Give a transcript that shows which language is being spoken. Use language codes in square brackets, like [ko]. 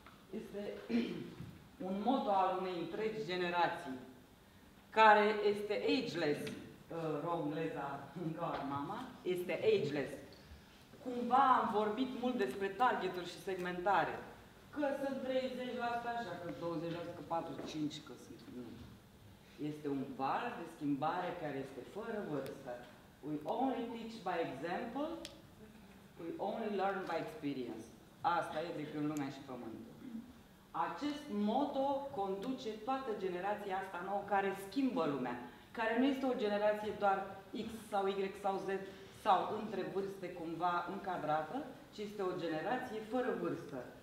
[ro] Este un motto al unei întregi generații, care este ageless, romleza încă ori mama, este ageless. Cumva am vorbit mult despre targeturi și segmentare. Că sunt 30%, așa, că 20%, că 45%, că sunt. Este un val de schimbare care este fără vârstă. [en] We only teach by example, we only learn by experience. [ro] Asta e de când lumea și Pământul. Acest motto conduce toată generația asta nouă care schimbă lumea. Care nu este o generație doar X sau Y sau Z sau între vârste cumva încadrată, ci este o generație fără vârstă.